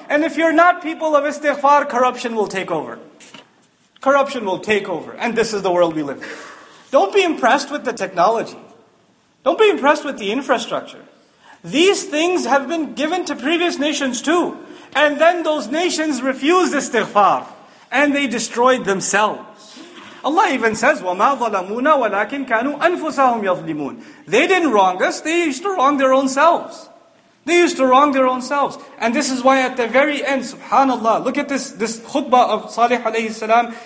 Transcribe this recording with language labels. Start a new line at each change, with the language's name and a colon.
English: And if you're not people of istighfar, corruption will take over. Corruption will take over. And this is the world we live in. Don't be impressed with the technology. Don't be impressed with the infrastructure. These things have been given to previous nations too. And then those nations refused istighfar. And they destroyed themselves. Allah even says,
Arabic: وَمَا ظَلَمُونَ وَلَكِنْ كَانُوا أَنفُسَهُمْ يَظْلِمُونَ.
English: They didn't wrong us, they used to wrong their own selves. They used to wrong their own selves. And this is why at the very end, subhanAllah, look at this khutbah of Salih alayhi salam.